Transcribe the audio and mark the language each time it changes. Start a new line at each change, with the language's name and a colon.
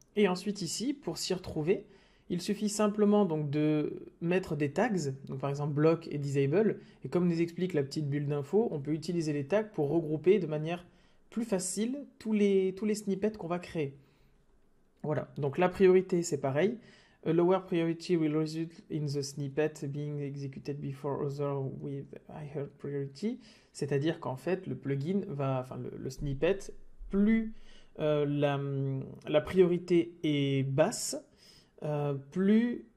French: Et ensuite ici, pour s'y retrouver, il suffit simplement donc de mettre des tags, donc par exemple block et disable. Et comme nous explique la petite bulle d'info, on peut utiliser les tags pour regrouper de manière plus facile tous les snippets qu'on va créer. Voilà. Donc la priorité, c'est pareil.
English: A lower priority will result in the snippet being executed before other with higher priority.
French: C'est-à-dire qu'en fait, le plugin va, enfin, le snippet, plus la priorité est basse, plus.